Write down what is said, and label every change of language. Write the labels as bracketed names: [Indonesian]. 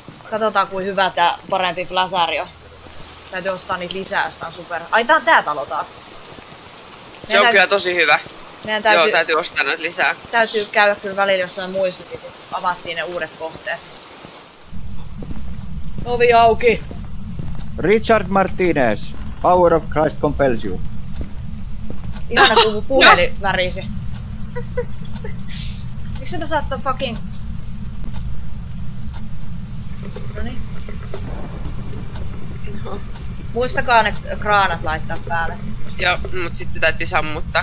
[Finnish] Katsotaan, kuin hyvä tää parempi pläsäri on. Täytyy ostaa niitä lisää, jos tää on super. Ai, tää on tää talo taas. Se on kyllä tosi hyvä. Täytyy ostaa näitä lisää. Täytyy käydä kyllä välillä jossain muissakin, sit avattiin ne uudet kohteet. Ovi auki! [English] Richard Martinez, Power of Christ compels you. [Finnish] Ihana kun mun puhelin värisi. Miks sä saat ton fucking... Muistakaa ne kraanat laittaa päälle. Joo, mut sit se täytyy sammuttaa.